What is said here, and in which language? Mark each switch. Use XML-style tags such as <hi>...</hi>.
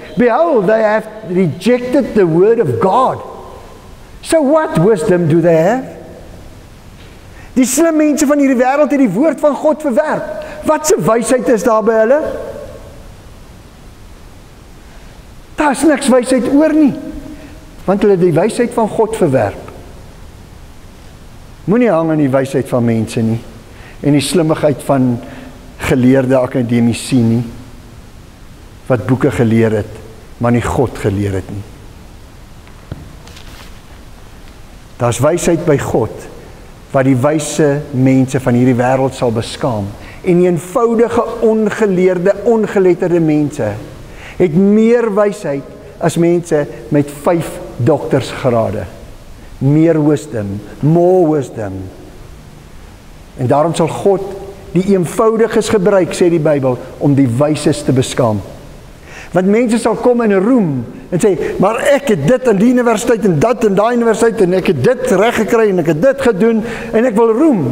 <en>Behold, they have rejected the word of God. So what wisdom do they have?</en> <af>Die slim mense van hierdie wêreld het die woord van God verwerp. Wat 'n wysheid is daar by hulle? Daar is niks wysheid oor nie, want hulle het die wysheid van God verwerp. Moenie hang aan die wysheid van mense nie, en die slimmigheid van geleerde akademici nie, wat boeke geleer het, maar nie God geleer het nie. Daar is wysheid by God, wat die wyse mense van hierdie wêreld sal beskaam. En die eenvoudige, ongeleerde, ongeletterde mense het meer wysheid as mense met 5 doktersgrade. Meer</af> <en>wisdom, more wisdom.</en> <af>En daarom sal God die eenvoudiges gebruik, sê die Bybel, om die wyses te beskaam. Want mense sal kom in roem en sê, maar ek het dit in die universiteit en dat in die universiteit en ek het dit reg gekry en ek het dit gedoen en ek wil roem.</af>